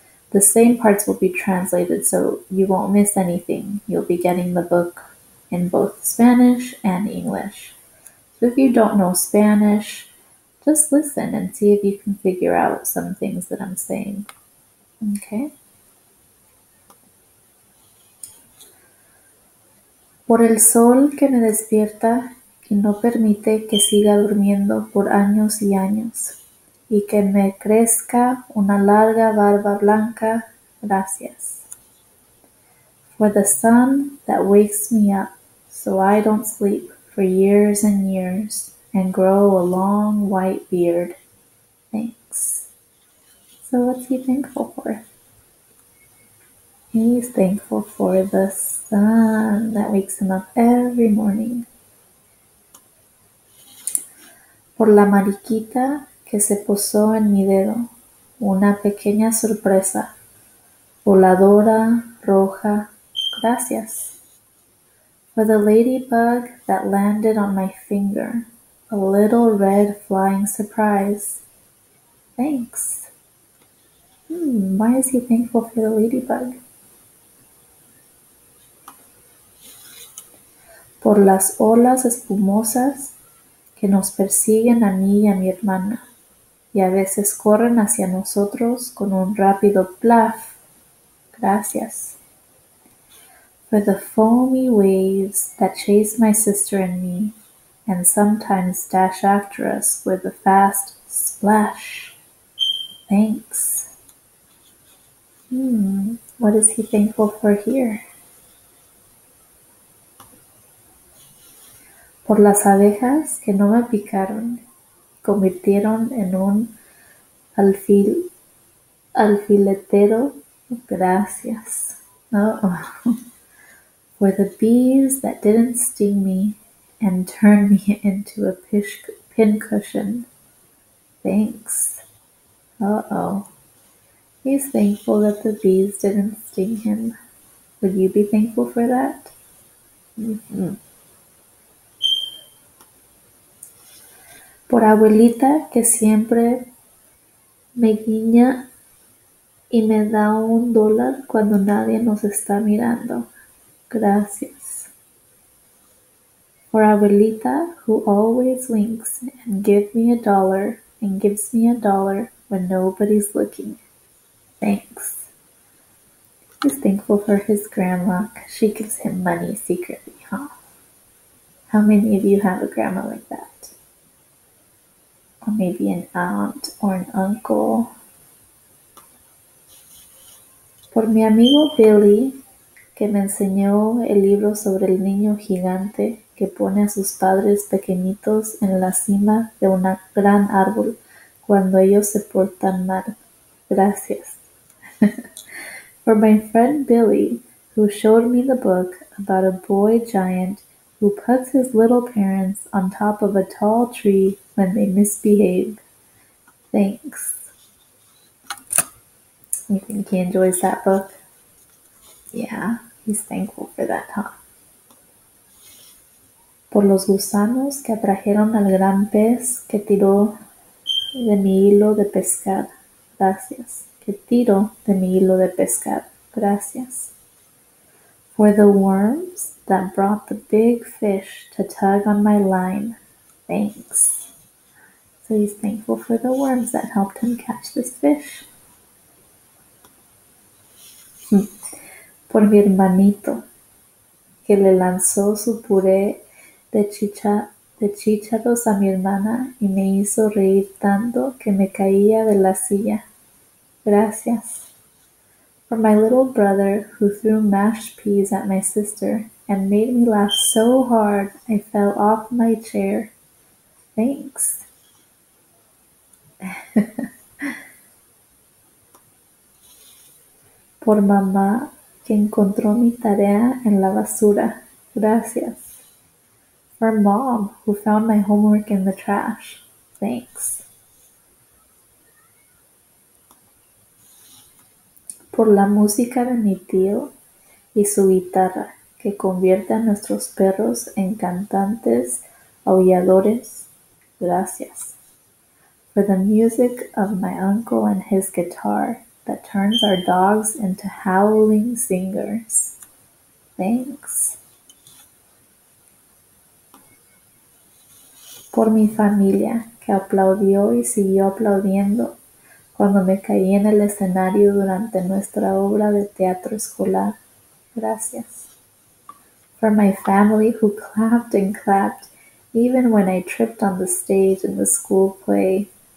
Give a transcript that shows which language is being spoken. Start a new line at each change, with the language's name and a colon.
English: The same parts will be translated, so you won't miss anything. You'll be getting the book in both Spanish and English. So if you don't know Spanish, just listen and see if you can figure out some things that I'm saying, okay?
Spanish: Por el sol que me despierta y no permite que siga durmiendo por años y años, y que me crezca una larga barba blanca, gracias.
English: For the sun that wakes me up so I don't sleep for years and years, and grow a long white beard, thanks. So what's he thankful for? He's thankful for the sun that wakes him up every morning. Por la mariquita que se posó en mi dedo, una pequeña sorpresa, voladora, roja, gracias. For the ladybug that landed on my finger, a little red flying surprise, thanks. Why is he thankful for the ladybug?
Spanish: Por las olas espumosas que nos persiguen a mí y a mi hermana, y a veces corren hacia nosotros con un rápido plaf, gracias.
English: For the foamy waves that chase my sister and me, and sometimes dash after us with a fast splash, thanks. What is he thankful for here?
Spanish: Por las abejas que no me picaron, convirtieron en un alfiletero, gracias.
English: For the bees that didn't sting me and turned me into a pincushion, thanks. He's thankful that the bees didn't sting him. Would you be thankful for that?
Spanish: Por abuelita que siempre me guiña y me da un dólar cuando nadie nos está mirando. Gracias.
English: For abuelita who always winks and gives me a dollar when nobody's looking. Thanks. He's thankful for his grandma. She gives him money secretly, huh? How many of you have a grandma like that? Or maybe an aunt or an uncle.
Spanish: Por mi amigo Billy, que me enseñó el libro sobre el niño gigante que pone a sus padres pequeñitos en la cima de un gran árbol cuando ellos se portan mal. Gracias.
English: For my friend Billy, who showed me the book about a boy giant who puts his little parents on top of a tall tree when they misbehave. Thanks. You think he enjoys that book? Yeah, he's thankful for that, huh?
Spanish: Por los gusanos que atrajeron al gran pez que tiró de mi hilo de pescar. Gracias. Que tiró de mi hilo de pescar. Gracias.
English: For the worms that brought the big fish to tug on my line. Thanks. So he's thankful for the worms that helped him catch this fish.
Spanish: Por mi hermanito, que le lanzó su puré de chícharos a mi hermana y me hizo reír tanto que me caía de la silla. Gracias.
English: For my little brother who threw mashed peas at my sister and made me laugh so hard I fell off my chair. Thanks.
Spanish: Por mamá que encontró mi tarea en la basura. Gracias.
English: For mom who found my homework in the trash. Thanks.
Spanish: Por la música de mi tío y su guitarra que convierte a nuestros perros en cantantes aulladores. Gracias.
English: For the music of my uncle and his guitar that turns our dogs into howling singers. Thanks.
Spanish: Por mi familia que aplaudió y siguió aplaudiendo cuando me caí en el escenario durante nuestra obra de teatro escolar. Gracias.
English: For my family who clapped and clapped even when I tripped on the stage in the school play.